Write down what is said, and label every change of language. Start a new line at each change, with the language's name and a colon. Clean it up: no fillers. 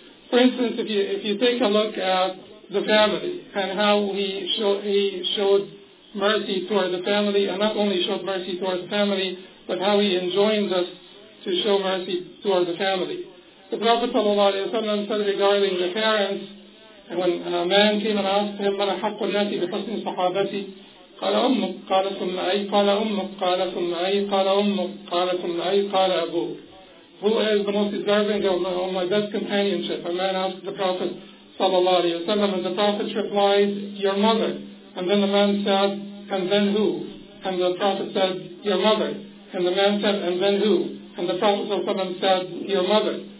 English: For instance, if you take a look at the family and how he showed mercy toward the family, and not only showed mercy toward the family, but how he enjoins us to show mercy toward the family. The Prophet ﷺ said regarding the parents, and when a man came and asked him,
Arabic: مَنَ حَقُّ النَّاسِ بِحُسْنِ صَحَابَتِي قال أمك قال ثم أي قال أمك قال ثم أي قال أمك قال ثم أي قال أبوك.
English: Who is the most deserving of my best companionship? A man asked the Prophet sallallahu alayhi wa sallam, and the Prophet replied, your mother. And then the man said, and then who? And the Prophet said, your mother. And the man said, and then who? And the Prophet sallallahu alayhi wa sallam said, your mother.